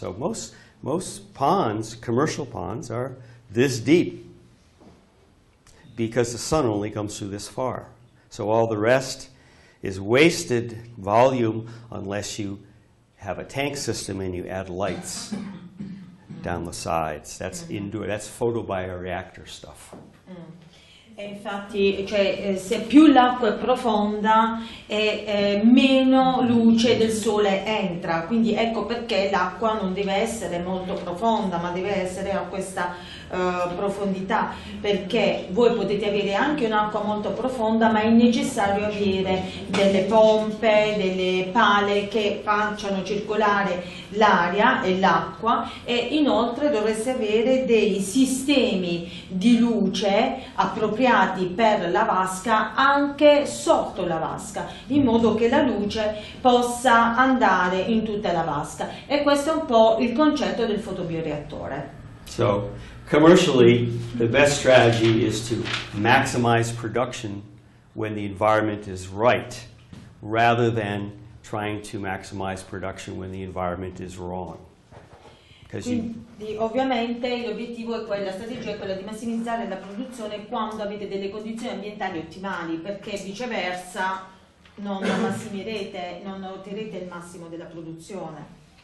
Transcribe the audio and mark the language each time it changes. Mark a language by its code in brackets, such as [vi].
[en] So most ponds, commercial ponds, are this deep because the sun only comes through this far. So all the rest is wasted volume unless you have a tank system and you add lights down the sides. That's indoor, that's photobioreactor stuff. [it] E infatti, cioè, se più l'acqua è profonda, meno luce del sole entra. Quindi ecco perché l'acqua non deve essere molto profonda, ma deve essere a questa profondità. Perché voi potete avere anche un'acqua molto profonda, ma è necessario avere delle pompe, delle pale che facciano circolare l'aria e l'acqua. E inoltre dovreste avere dei sistemi di luce appropriati per la vasca anche sotto la vasca in modo che la luce possa andare in tutta la vasca e questo è un po' il concetto del fotobioreattore. [en] So commercially the best strategy is to maximize production when the environment is right rather than trying to maximize production when the environment is wrong. [it] Quindi ovviamente l'obiettivo è quello, la strategia è quella di massimizzare la produzione quando avete delle condizioni ambientali ottimali, perché viceversa non massimerete, non otterrete il massimo della produzione.